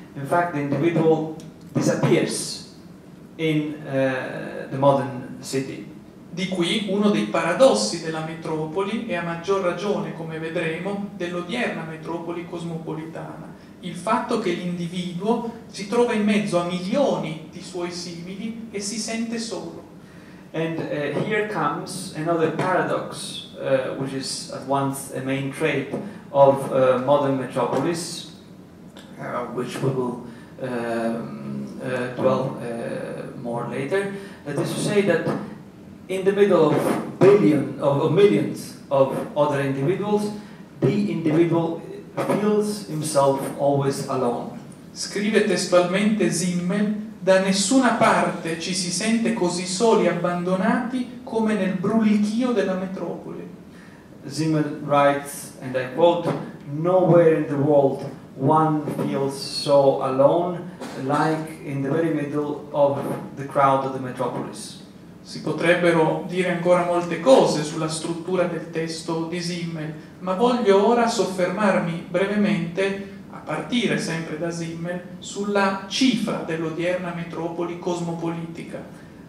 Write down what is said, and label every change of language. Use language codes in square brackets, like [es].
[en] In fact, the individual disappears in the modern city. [it] Di qui uno dei paradossi della metropoli e a maggior ragione, come vedremo, dell'odierna metropoli cosmopolitana. Il fatto che l'individuo si trova in mezzo a milioni di suoi simili e si sente solo. [en] And here comes another paradox, which is at once a main trait of modern metropolis, which we will dwell more later. That is to say that in the middle of millions of other individuals, the individual feels himself always alone. [it] Scrive testualmente Simmel: da nessuna parte ci si sente così soli, abbandonati, come nel brulichio della metropoli. [en] Simmel writes, and I quote, nowhere in the world one feels so alone like in the very middle of the crowd of the metropolis. [it] Si potrebbero dire ancora molte cose sulla struttura del testo di Simmel, ma voglio ora soffermarmi brevemente, a partire sempre da Simmel, sulla cifra dell'odierna metropoli cosmopolitica.